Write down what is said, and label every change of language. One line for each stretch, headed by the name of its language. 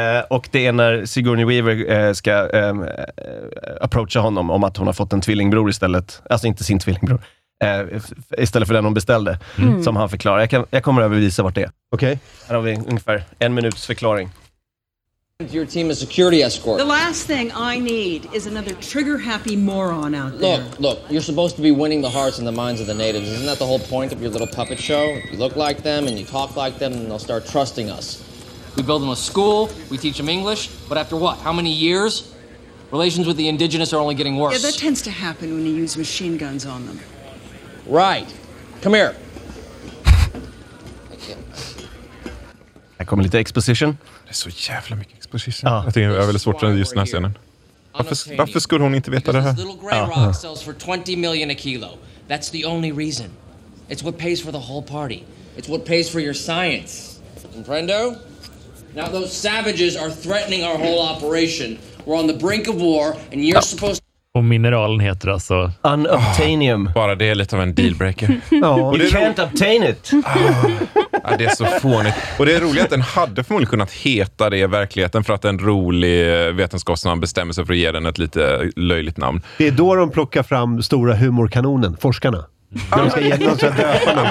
Swedish: Och det är när Sigourney Weaver ska approacha honom om att hon har fått en tvillingbror istället, alltså inte sin tvillingbror, istället för den hon beställde, som han förklarar. Jag kommer att visa vart det är. Okej.
English: Okay.
Swedish: Här har vi ungefär en minuts förklaring.
English: Your team is security escort. The last thing I need is another trigger-happy moron out there. Look, you're supposed to be winning the hearts and the minds of the natives. Isn't that the whole point of your little puppet show? If you look like them and you talk like them, then they'll start trusting us. We build them a school, we teach them English, but after what? How many years? Relations with the indigenous are only getting worse. Yeah, that tends to happen when you use machine guns on them. Right. Come here.
Swedish: Här kommer lite exposition. Det är så jävla mycket exposition. Ja. Jag tycker det är väldigt svårt just den här scenen. Varför skulle hon inte veta det här?
English: Ja. Sells for 20 million a kilo. That's the only reason. It's what pays for the whole party. It's what pays for your science. Comprendo? Now those savages are threatening our whole operation. We're on the brink of war and you're supposed to...
Swedish: Och mineralen heter alltså...
English: Unobtainium.
Swedish: Oh, bara det är lite av en dealbreaker.
English: You can't obtain it.
Swedish: Oh, det är så fånigt. Och det är roligt att den hade förmodligen kunnat heta det i verkligheten, för att en rolig vetenskapsman bestämmer sig för att ge den ett lite löjligt namn. Det är då de plockar fram stora humorkanonen, forskarna. När de ska ge något så att döpa något.